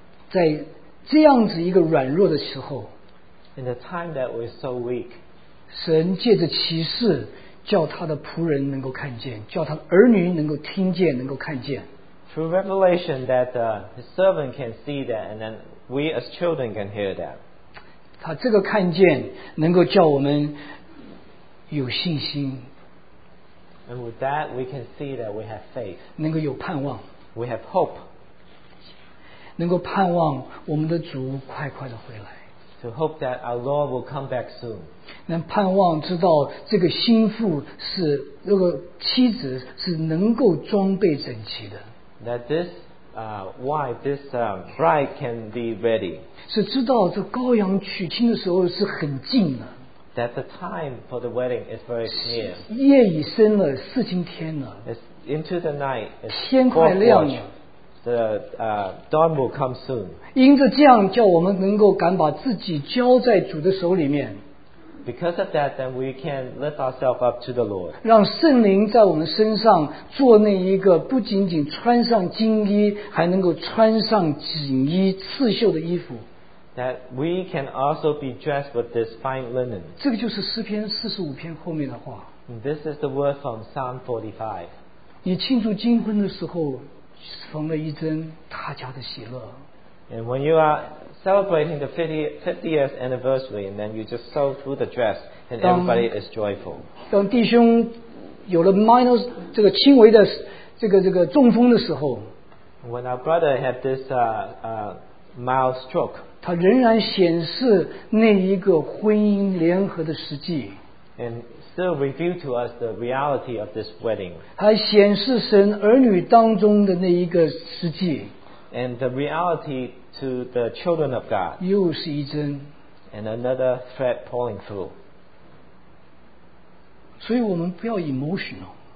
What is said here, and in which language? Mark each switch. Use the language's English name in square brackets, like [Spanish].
[Chinese] 在这样子一个软弱的时候， [English] In the time that we're so weak, [Chinese] 神借着启示叫他的仆人能够看见，叫他的儿女能够听见，能够看见。 [English] Through revelation that his servant can see that and then We as children can hear that. [Chinese] 他这个看见能够叫我们有信心。 [English] And with that, we can see that we have faith. [Chinese] 能够有盼望。 [English] We have hope. [Chinese] 能够盼望我们的主快快的回来。 [English] To hope that our Lord will come back soon. [Chinese] 能盼望知道这个心腹是这个妻子是能够装备整齐的。 [English] That this why this bride can be ready. [Chinese] 是知道这羔羊娶亲的时候是很近了。 [English] That the time for the wedding is very near. [Chinese] 夜已深了，四更天了。 [English] It's into the night. [Chinese] 天快亮了。 [English] The dawn will come soon. [Chinese] 因着这样叫我们能够敢把自己交在主的手里面。 [English] Because of that, then we can lift ourselves up to the Lord. [Chinese] 让圣灵在我们身上做那一个不仅仅穿上金衣，还能够穿上锦衣、刺绣的衣服。 [English] That we can also be dressed with this fine linen. [Chinese] 这个就是诗篇四十五篇后面的话。 [English] This is the word from Psalm 45. [Chinese] 你庆祝金婚的时候，缝了一针他家的喜乐。 [English] And when you are celebrating the 50th anniversary and then you just sew through the dress and everybody is joyful. [Chinese] 当弟兄有了 minor 这个轻微的这个中风的时候， [English] when our brother had this mild stroke, [Chinese] 他仍然显示那一个婚姻联合的实际， [English] and still reveal to us the reality of this wedding. [Chinese] 还显示神儿女当中的那一个实际， [English] and the realityTo the children of God. [Chinese] 又是一针。 [English] And another thread pulling through. [Chinese] 所以我们不要 emotional.